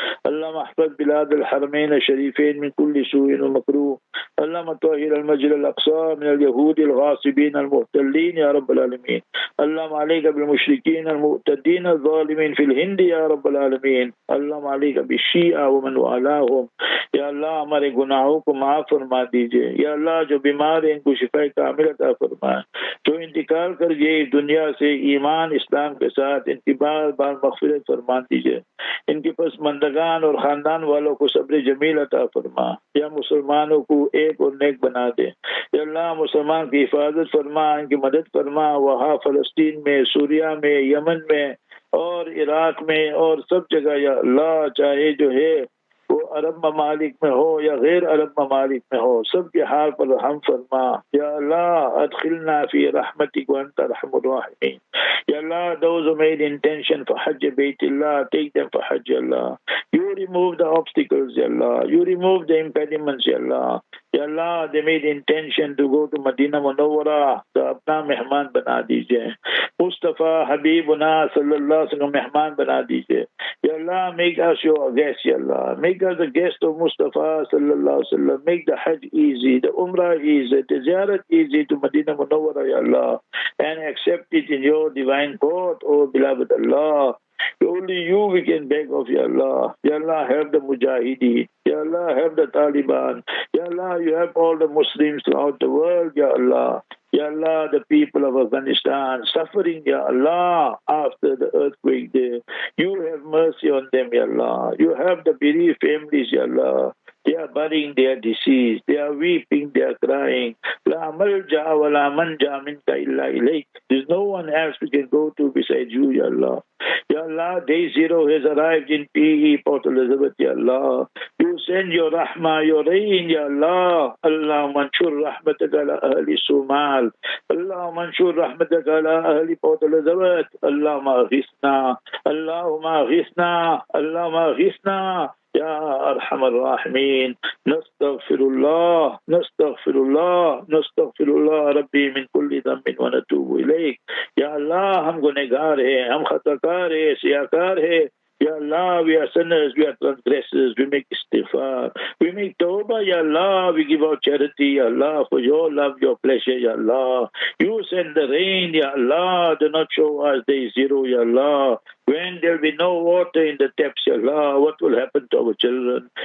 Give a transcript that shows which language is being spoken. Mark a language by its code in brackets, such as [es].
[ar] اللهم احفظ بلاد الحرمين الشريفين من كل سوء ومكروه. اللهم طهر المسجد الأقصى من اليهود الغاصبين المحتلين يا رب العالمين. اللهم عليك بالمشركين المعتدين الظالمين في الهند يا رب العالمين. اللهم عليك بالشيعة ومن والاهم. [ur] یا اللہ ہمارے گناہوں کو معاف فرما دیجئے. یا اللہ جو بیمار ہیں ان کو شفا کامل عطا فرمائے. جو انتقال کر گئے دنیا سے ایمان اسلام کے ساتھ ان کی بار بار مغفرت فرما دیجئے. ان کے پس مندگان اور خاندان والوں کو صبر جمیل عطا فرما. یا مسلمانوں کو ایک اور نیک بنا دے. یا اللہ مسلمان کی حفاظت فرما, ان کی مدد فرما, وہاں فلسطین میں, سوریہ میں, یمن میں اور عراق میں اور سب جگہ یا اللہ, چاہے جو ہے وہ عرب ممالک میں ہو یا غیر عرب ممالک میں ہو, سب کے حال پر رحم فرما. [ar] یا اللہ ادخلنا فی رحمتک وانت ارحم الراحمین. [en] یا اللہ those who made intention for حج بیت اللہ, take them for حج اللہ. You remove the obstacles, یا اللہ. You remove the impediments, یا اللہ. [ur] یا اللہ [en] they made intention to go to [ur] مدینہ منورہ, تو اپنا مہمان بنا دیجئے. مصطفی حبیبنا صلی اللہ علیہ وسلم مہمان بنا دیجئے. [en] یا اللہ make us your guest, یا اللہ. Make us the guest of Mustafa صلی اللہ علیہ وسلم. Make the حج easy, the عمرہ easy, the زیارت easy to مدینہ منورہ, یا اللہ. And accept it in your divine court, oh beloved Allah. Only you we can beg of, ya Allah. Ya Allah, help the Mujahideen. Ya Allah, help the Taliban. Ya Allah, you help all the Muslims throughout the world, ya Allah. Ya Allah, the people of Afghanistan suffering, ya Allah, after the earthquake there. You have mercy on them, ya Allah. You help the bereaved families, ya Allah. They are burying their deceased. They are weeping. They are crying. [ar] لا ملجا ولا منجا منك إلا إليك. [en] There's no one else we can go to besides you, ya Allah. Ya Allah, day zero has arrived in PE, Port Elizabeth, ya Allah. You send your rahmah, your rain, ya Allah. [ar] Allah manshur rahmataka ala ahli Somal. Allah manshur rahmataka ala ahli Port Elizabeth. Allah maghisna. Allah maghisna. Allah maghisna. يا أرحم الراحمين. نستغفر الله, نستغفر الله, نستغفر الله ربي من كل ذنب ونتوب إليك. [ur] يا الله هم گنہگار ہیں, ہم خطاکار ہیں, سیاکار ہیں. [en] يا الله we are sinners, we are transgressors, we make استغفار, we make توبہ. يا الله we give out charity, يا الله, for your love, your pleasure, يا الله. You send the rain, يا الله, do not show us day zero, يا الله. When there will be no water in the taps, ya Allah, what will happen to our children?